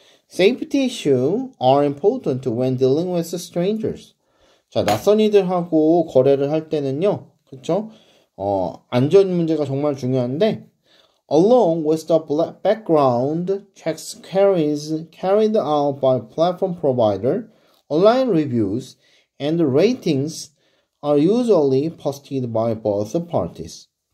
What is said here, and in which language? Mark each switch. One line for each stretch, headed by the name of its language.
English: Safety issues are important when dealing with strangers.
Korean: 자, 낯선 이들하고 거래를 할 때는요, 그쵸? 안전 문제가 정말 중요한데,
English: along with the background checks carried out by platform provider, online reviews and ratings are usually posted by both parties.